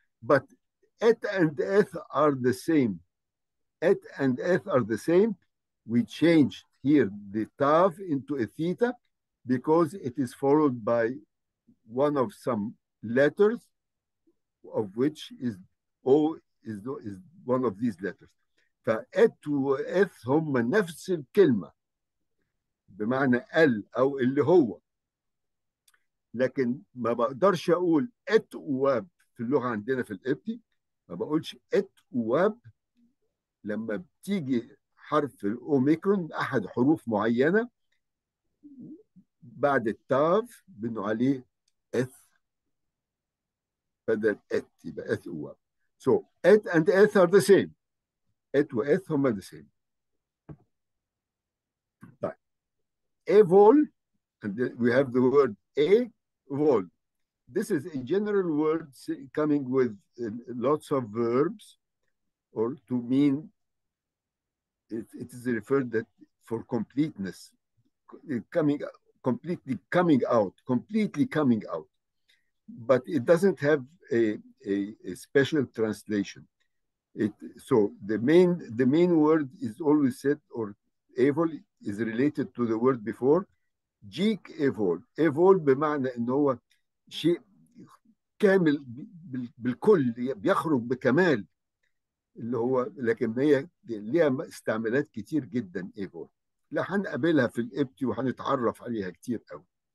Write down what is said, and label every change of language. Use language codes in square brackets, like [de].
[en] But at and eth are the same. At and eth are the same. We change here the tav into a theta because it is followed by one of some letters of which is O is one of these letters. [ar] فات وإث هم نفس الكلمة بمعنى ال أو اللي هو, لكن ما بقدرش أقول ات واب في اللغة عندنا في الإبتي, ما بقولش ات واب لما بتيجي حرف الأوميكرون أحد حروف معينة بعد التاف بنقول عليه إث بدل إت يبقى إث واب. [en] So it and eth are the same. [ar] إت وإث هما [en] the same. [ar] طيب [en] Evol, and we have the word evol. This is a general word coming with lots of verbs or to mean it is referred that for completeness, completely coming out, but it doesn't have a special translation. So the main word is always said, or evol is related to the word before, jik evol. [ar] Evol بمعنى ان هو شيء كامل بالكل بيخرج بكمال اللي هو, لكن هي ليها استعمالات كتير جدا ايفول. لا هنقابلها في الابتي وهنتعرف عليها كتير قوي.